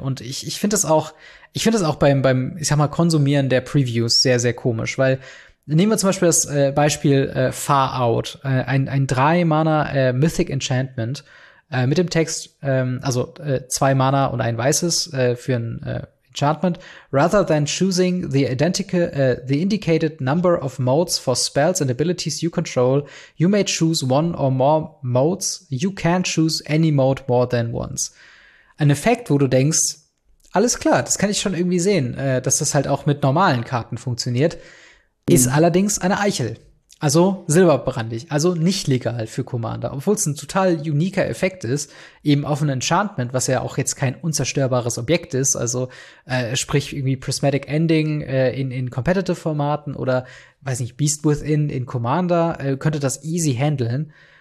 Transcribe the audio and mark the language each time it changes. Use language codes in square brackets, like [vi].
[de] Und ich finde das auch beim ich sag mal Konsumieren der Previews sehr, sehr komisch, weil nehmen wir zum Beispiel das Beispiel Far Out, ein 3-Mana Mythic Enchantment mit dem Text, also 2 Mana und ein weißes für ein Enchantment. [en] Rather than choosing the indicated number of modes for spells and abilities you control, you may choose one or more modes. You can choose any mode more than once. [de] Ein Effekt, wo du denkst, alles klar, das kann ich schon irgendwie sehen, dass das halt auch mit normalen Karten funktioniert, ist allerdings eine Eichel. Also silberbrandig, also nicht legal für Commander. Obwohl es ein total uniker Effekt ist, eben auf ein Enchantment, was ja auch jetzt kein unzerstörbares Objekt ist, also sprich irgendwie Prismatic Ending in Competitive-Formaten oder, weiß nicht, Beast Within in Commander, könnte das easy handeln.